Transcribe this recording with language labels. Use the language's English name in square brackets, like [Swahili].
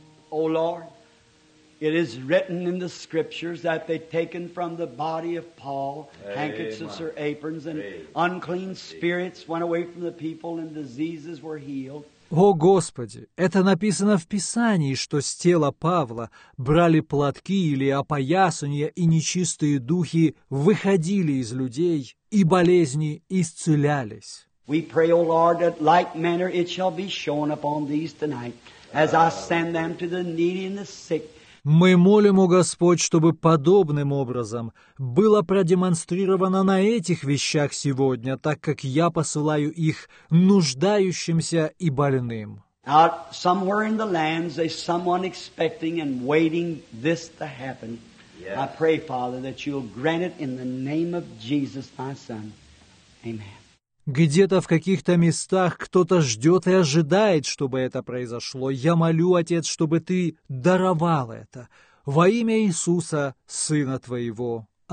[English] О, Lord, it is written in the scriptures that they taken from the body of Paul handkerchiefs or aprons, and unclean spirits went away from the people, and diseases were healed. [Russian] О, Господи, это написано в Писании, что с тела Павла брали платки или опоясания, и нечистые духи выходили из людей, и болезни исцелялись. [English] We pray, O Lord, that like manner it shall be shown upon these tonight, as I send them to the needy and the sick. [Russian] Мы молим, о Господь, чтобы подобным образом было продемонстрировано на этих вещах сегодня, так как я посылаю их нуждающимся и больным. [English] Out somewhere in the lands, there's someone expecting and waiting this to happen. I pray, Father, that you'll grant it in the name of Jesus, my Son. Amen. [Russian] Где-то в каких-то местах кто-то ждет и ожидает, чтобы это произошло. Я молю, Отец, чтобы Ты даровал это. Во имя Иисуса, Сына Твоего.